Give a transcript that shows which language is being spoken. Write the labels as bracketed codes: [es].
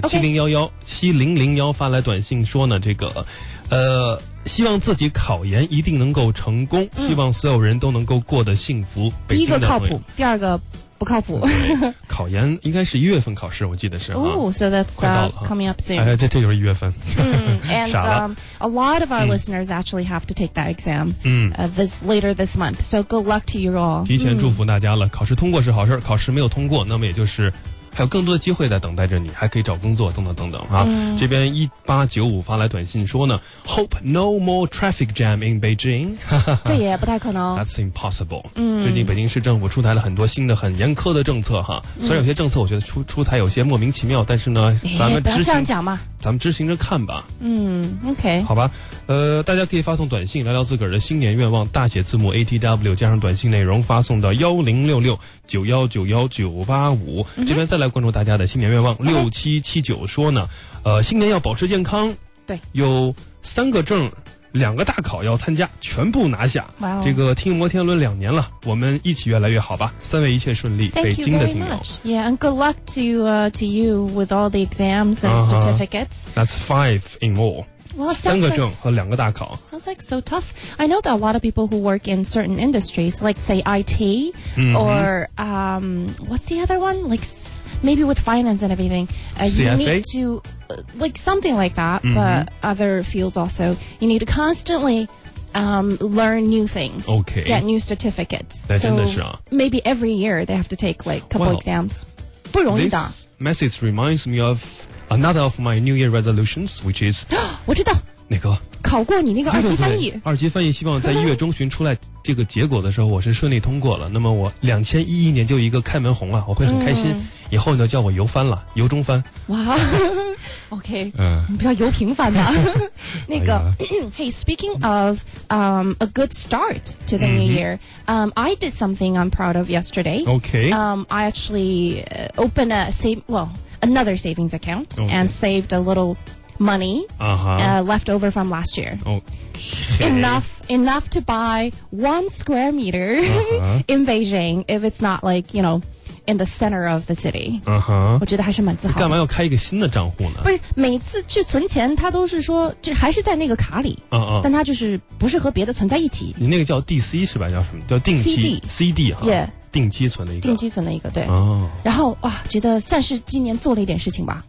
[zh] 7011 7001发来短信说呢，这个，希望自己考研一定能够成功，希望所有人都能够过得幸福。第一个靠谱，第二个。不靠谱。考研应该是一月份考试，我记得是。 [en] So that's coming up soon. [zh] 这就是一月份。 [en] And a lot of our listeners actually have to take that exam. Later this month. So good luck to you all. [zh] 提前祝福大家了。考试通过是好事，考试没有通过，那么也就是还有更多的机会在等待着你，还可以找工作，等等等等啊。这边1895发来短信说呢 ， [en] Hope no more traffic jam in Beijing。 [zh] 这也不太可能。 [en] That's impossible。嗯， [zh] 最近北京市政府出台了很多新的、很严苛的政策哈。虽然有些政策我觉得出台有些莫名其妙，但是呢，咱们不要这样讲嘛。咱们执行着看吧。嗯 ，OK。好吧，大家可以发送短信聊聊自个儿的新年愿望，大写字母 ATW 加上短信内容发送到10669191985。这边再来关注大家的新年愿望。 6779说呢，新年要保持健康。对，有三个证，两个大考要参加，全部拿下。哇、wow、这个听摩天轮两年了，我们一起越来越好吧。三位一切顺利。 [en] Thank、 [zh] 北京的听友。 [en] Yeah, and good luck to you with all the exams and certificates. That's five in all. Well, [zh] 三个证和两个大考。 [en] Sounds like so tough. I know that a lot of people who work in certain industries, like say IT, or what's the other one? Like maybe with finance and everything. CFA? You need to... like something like that, but other fields also. You need to constantly learn new things. Okay. Get new certificates. [zh] 那真的是啊。 [en] Maybe every year they have to take like couple exams. [zh] 不容易的。 [en] This message reminds me of another of my New Year resolutions, which is... [zh] 我知道。哪个？考过你那个二级翻译。二级翻译希望在一月中旬出来这个结果的时候我是顺利通过了。那么我2011年就一个开门红了，我会很开心。以后你就叫我游翻了，游中翻。哇，OK， 你不要游平凡吧。 [en] 那个、，Hey， speaking of a good start to the new year， I did something I'm proud of yesterday. Okay， I actually opened another savings account and saved a little money left over from last year. Okay. Enough to buy one square meter in Beijing if it's not like, you know. In the center of the city. [zh] 我觉得还是蛮自豪的。干嘛要开一个新的账户呢？不是，每次去存钱他都是说这还是在那个卡里。但他就是不是和别的存在一起。你那个叫 DC 是吧？叫什么？叫定期。 [en] CD [zh] 哈。定期存的一个。定期存的一个，对。哦。然后哇，觉得算是今年做了一点事情吧。